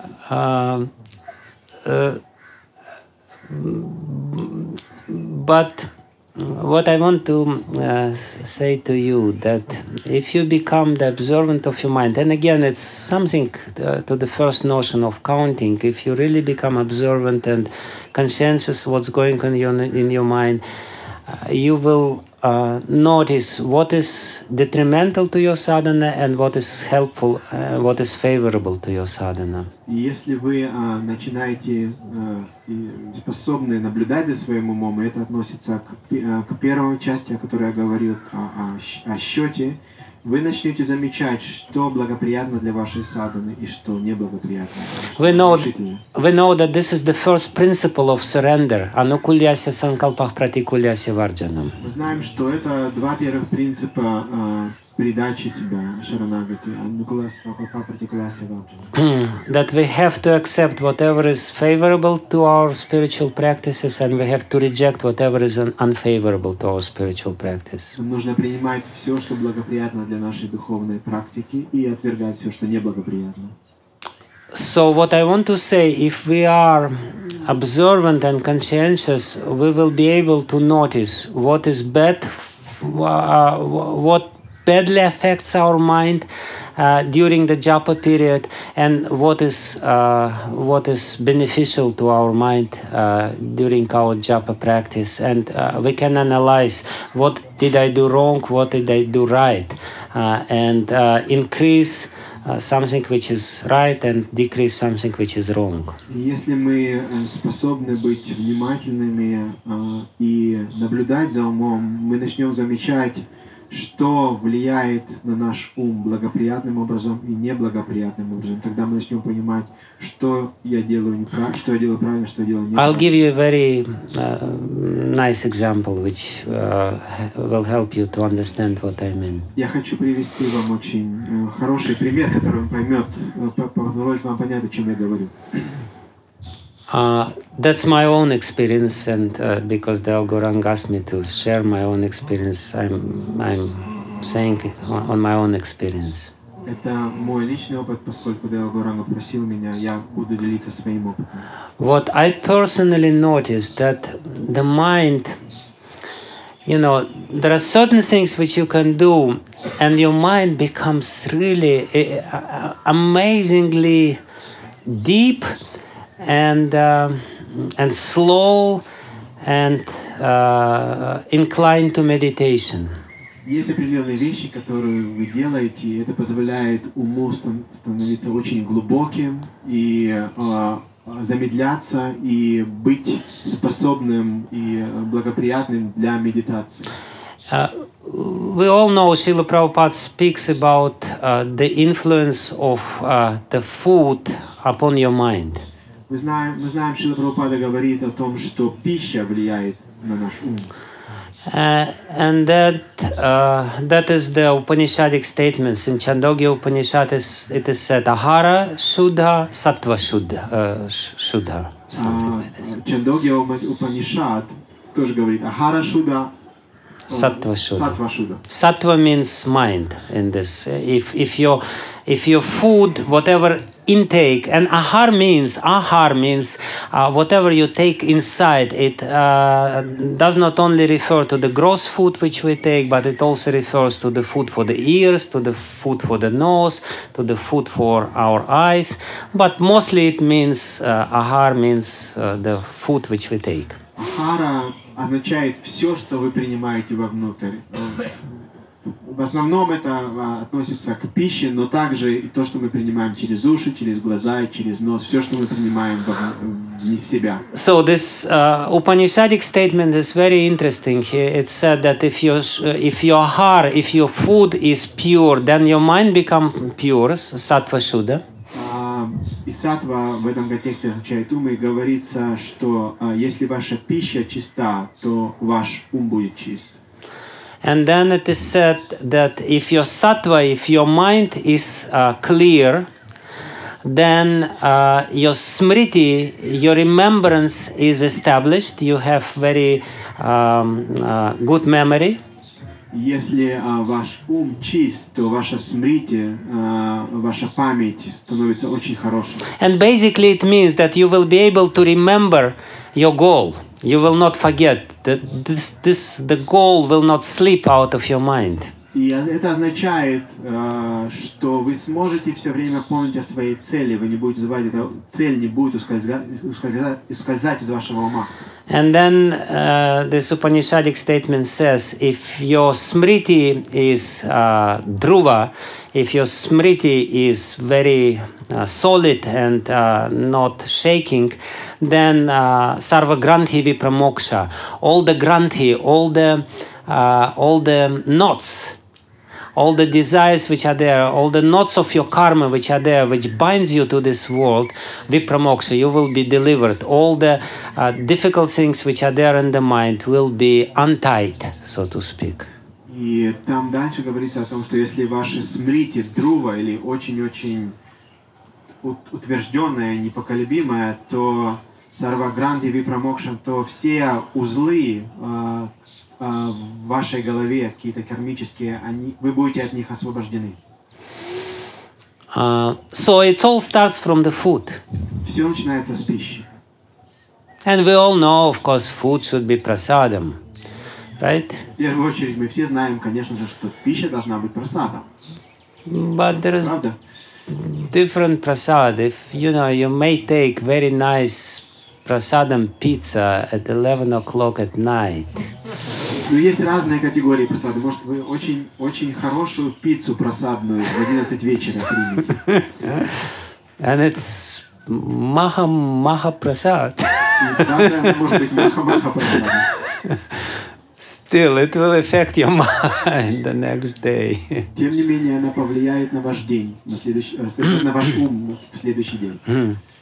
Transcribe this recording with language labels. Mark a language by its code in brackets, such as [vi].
[en] But what I want to say to you, that if you become the observant of your mind, and again, it's something to the first notion of counting, if you really become observant and conscientious what's going on in your mind, you will notice what is detrimental to your sadhana and what is helpful, what is favorable to your sadhana. [ru] Если вы начинаете способны наблюдать за своим умом, это относится к первой части, о которой я говорил, о счете, вы начнете замечать, что благоприятно для вашей садханы и что неблагоприятно. [en] We know that this is the first principle of surrender. [sa] Anukulyasya sankalpah pratikulyasya vardhanam. [ru] Мы знаем, что это два первых принципа передачи себя, шаранагати. [sa] Anukulyasya sankalpah pratikulyasya vardhanam. [en] That we have to accept whatever is favorable to our spiritual practices, and we have to reject whatever is unfavorable to our spiritual practice. [ru] Нужно принимать все, что благоприятно для нашей духовной практики, и отвергать все, что неблагоприятно. [en] So what I want to say, if we are observant and conscientious, we will be able to notice what is bad, what badly affects our mind during the japa period, and what is beneficial to our mind during our japa practice. And we can analyze what did I do wrong, what did I do right, and increase something which is right and decrease something which is wrong. [ru] Если мы способны быть внимательными и наблюдать за умом, мы начнем замечать, что влияет на наш ум благоприятным образом и неблагоприятным образом. Тогда мы начнем понимать, что я делаю неправильно, что я делаю правильно, что я делаю неправильно. [en] I'll give you a very nice example which will help you to understand what I mean. [ru] Я хочу привести вам очень хороший пример, который поймёт, позволит вам понять, о чём я говорю. [en] That's my own experience, and because the Algorang asked me to share my own experience, I'm saying on my own experience. [ru] Это мой личный опыт, поскольку Делгоранга просил меня, я буду делиться своим опытом. [en] What I personally noticed, that the mind, you know, there are certain things which you can do, and your mind becomes really amazingly deep and slow and inclined to meditation. [ru] Есть определенные вещи, которые вы делаете, и это позволяет уму становиться очень глубоким и замедляться и быть способным и благоприятным для медитации. [en] We all know Srila Prabhupada speaks about the influence of the food upon your mind. [ru] Мы знаем, Шрила Прабхупада говорит о том, что пища влияет на наш ум. [en] And that is the Upanishadic statements. In Chandogya Upanishad, it is said, [sa] ahara shuddha, sattva shuddha, shuddha, [en] something like this. [ru] Chandogya Upanishad тоже говорит, [sa] ahara shuddha, sattva shuddha. Sattva shuddha. [en] Sattva means mind in this. If your food, whatever intake, and ahar means whatever you take inside, it does not only refer to the gross food which we take, but it also refers to the food for the ears, to the food for the nose, to the food for our eyes, but mostly it means ahar means the food which we take. [ru] Ahara означает все, что вы принимаете вовнутрь. В основном это относится к пище, но также и то, что мы принимаем через уши, через глаза и через нос, все, что мы принимаем в себя. [en] So this Upanishadic statement is very interesting. It said that if your food is pure, then your mind becomes pure, sattva shuddha. [ru] И сатва в этом контексте означает ум, и говорится, что если ваша пища чиста, то ваш ум будет чист. [en] And then it is said that if your sattva, if your mind is clear, then your smriti, your remembrance is established. You have very good memory. [ru] Если ваш ум чист, то ваше смрите, ваша память становится очень хорошей. [en] And basically it means that you will be able to remember your goal. You will not forget that this the goal will not slip out of your mind. [ru] И это означает, что вы сможете все время помнить о своей цели. Вы не будете забывать, эта цель не будет ускользать из вашего ума. [en] And then the Upanishadic statement says, if your smriti is dhruva, if your smriti is very solid and not shaking, then [sa] sarva granthi vipramoksha, [en] all the granthi, all the knots, all the desires which are there, all the knots of your karma which are there, which binds you to this world, vipramoksha, you will be delivered. All the difficult things which are there in the mind will be untied, so to speak. [ru] И там дальше говорится о том, что если ваше смрити, друва, или очень-очень утвержденное, непоколебимое, то [sa] сарваграндхи випрамокшам, [ru] то все узлы в вашей голове какие-то кармические, они, вы будете от них освобождены. [en] So it all starts from the food. [ru] Все начинается с пищи. [en] And we all know, of course, food should be prasadam, right? [ru] В первую очередь мы все знаем, конечно же, что пища должна быть прасадом. [en] But there is different prasad. If you know, you may take very nice prasadam pizza at 11 o'clock at night. [ru] Но есть разные категории просады. Может, вы очень-очень хорошую пиццу просадную в 11 вечера примете. [en] And it's maha-maha prasad. [ru] Может быть, maha-maha prasad. [en] Still, it will affect your mind the next day. [ru] Тем не менее, она повлияет на ваш день, на ваш ум в следующий день.